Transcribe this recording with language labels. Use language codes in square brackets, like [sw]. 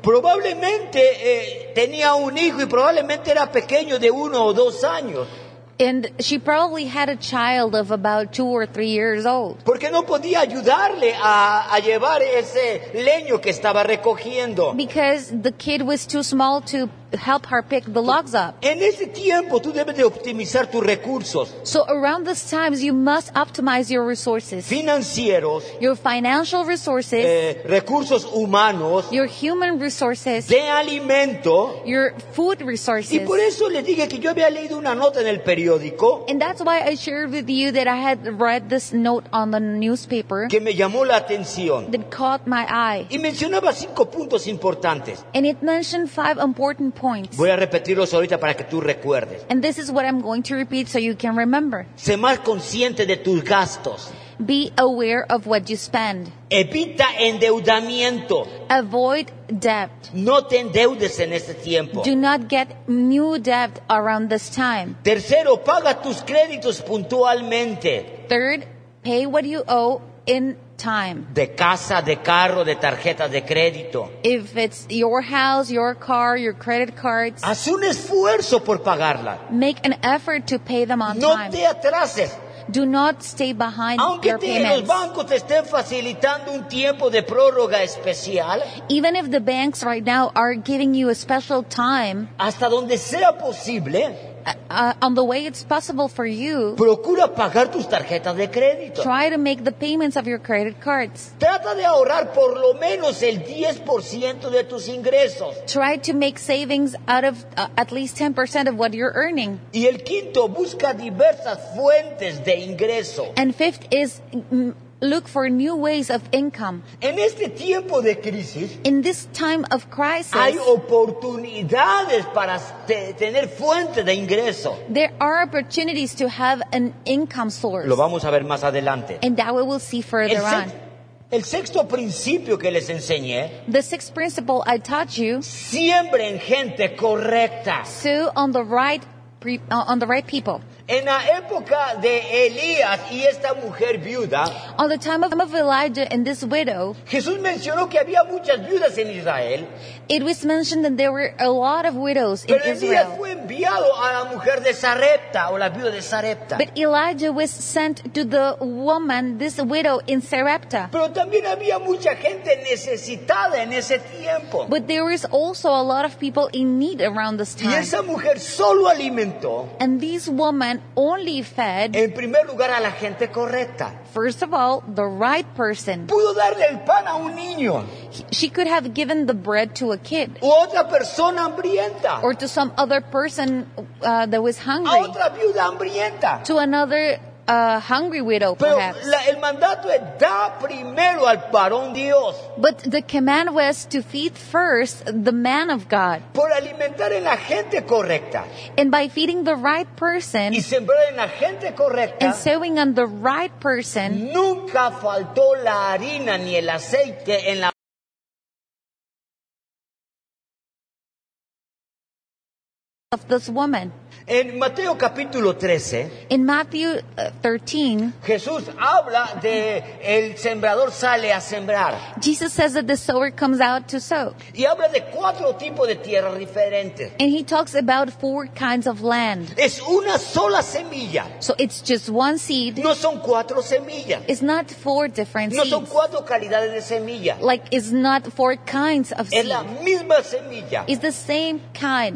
[es] Probablemente tenía un hijo y probablemente era pequeño de uno o dos años. [en] And she probably had a child of about 2 or 3 years old. [es] Porque no podía ayudarle a llevar ese leño que estaba recogiendo. [en] Because the kid was too small to help her pick the logs up. [es] En ese tiempo, tú debes de optimizar tus recursos. [en] So around these times, you must optimize your resources. [es] Financieros. [en] Your financial resources. [es] Recursos humanos. [en] Your human resources. [es] De alimento. [en] Your food resources. [es] Y por eso le dije que yo había leído una nota en el periódico. [en] And that's why I shared with you that I had read this note on the newspaper. [es] Que me llamó la atención. [en] That caught my eye. [es] Y mencionaba cinco puntos importantes. [en] And it mentioned five important points. [es] Voy a repetirlos ahorita para que tú recuerdes. [en] And this is what I'm going to repeat so you can remember. [es] Sé más consciente de tus gastos. [en] Be aware of what you spend. [es] Evita endeudamiento. [en] Avoid debt. [es] No te endeudes en este tiempo. [en] Do not get new debt around this time. [es] Tercero, paga tus créditos puntualmente. [en] Third, pay what you owe in time. [es] De casa, de carro, de tarjeta de crédito. [en] If it's your house, your car, your credit cards, [es] haz un esfuerzo por pagarla. [en] Make an effort to pay them on [es] no [en] time. [es] Te atrases. [en] Do not stay behind. [es] Aunque [en] your payments. [es] Aunque los bancos te estén facilitando un tiempo de prórroga especial, [en] even if the banks right now are giving you a special time, [es] hasta donde sea posible, [en] On the way it's possible for you, [es] procura pagar tus tarjetas de crédito. [en] Try to make the payments of your credit cards. [es] Trata de ahorrar por lo menos el 10% de tus ingresos. [en] Try to make savings out of at least 10% of what you're earning. [es] Y el quinto, busca diversas fuentes de ingreso. [en] And fifth is look for new ways of income. [es] En este tiempo de crisis, [en] in this time of crisis, [es] hay oportunidades para tener fuente de ingreso. [en] There are opportunities to have an income source. [es] Lo vamos a ver más adelante. [en] And that we will see further on. [es] El sexto principio que les enseñé, [en] the sixth principle I taught you, [es] siembre en gente correcta. [en] Sow on the right people. [es] En la época de Elías y esta mujer viuda, [en] on the time of Elijah and this widow, [es] Jesús mencionó que había muchas viudas en Israel. [en] It was mentioned that there were a lot of widows in Israel. [es] Pero Elías fue enviado a la mujer de Sarepta o la viuda de Sarepta. [en] But Elijah was sent to the woman, this widow in Sarepta. [es] Pero también había mucha gente necesitada en ese tiempo. [en] But there was also a lot of people in need around this time. [es] Y esa mujer solo alimentó. [en] And this woman only fed, [es] en primer lugar, a la gente correcta. [en] First of all, the right person. [es] Pudo darle el pan a un niño. [en] She could have given the bread to a kid. [es] O otra persona hambrienta. [en] Or to some other person that was hungry. [es] A otra viuda hambrienta. [en] To another hungry widow, [es] pero [en] perhaps. [es] El mandato es da primero al varón Dios. [en] But the command was to feed first the man of God. [es] Por alimentar en la gente correcta. [en] And by feeding the right person. [es] Y sembrar en la gente correcta. [en] And sowing on the right person. [es] Nunca faltó la harina ni el aceite en la. [en] Of this woman. [es] En Mateo capítulo 13, [en] in Matthew 13, [es] Jesús habla de el sembrador sale a sembrar. [en] Jesus says that the sower comes out to sow. [es] Y habla de cuatro tipos de tierra diferentes. [en] And he talks about four kinds of land. [es] Es una sola semilla. [en] So it's just one seed. [es] No son cuatro semillas. [en] It's not four different [es] no [en] seeds. [es] No son cuatro calidades de semilla. [en] Like it's not four kinds of seeds. [es] Es la misma semilla. [en] It's the same kind.